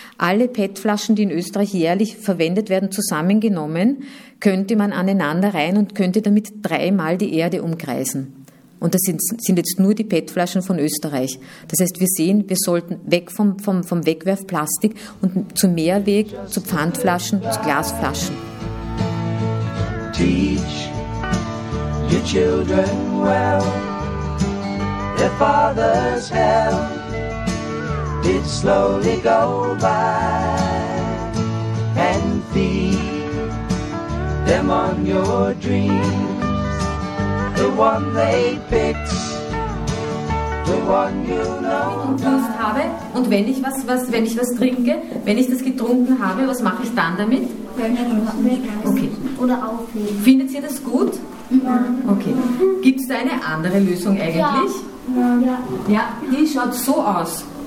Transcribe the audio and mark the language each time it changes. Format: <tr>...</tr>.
<de>Alle PET-Flaschen, die in Österreich jährlich verwendet werden, zusammengenommen, könnte man aneinander reihen und könnte damit dreimal die Erde umkreisen. Und das sind jetzt nur die PET-Flaschen von Österreich. Das heißt, wir sehen, wir sollten weg vom Wegwerfplastik und zum Mehrweg, zu Pfandflaschen, zu Glasflaschen.</de> <en>Teach your children well. Their father's hell did slowly go by. And feed them on your dreams. The one they picked, the one you know.</en> <de>Wenn ich einen Durst habe und wenn ich was trinke, wenn ich das getrunken habe, was mache ich dann damit? Okay. Oder aufheben. Findet ihr das gut? Ja. Okay. Gibt es da eine andere Lösung eigentlich? Ja. Ja, die schaut so aus.</de>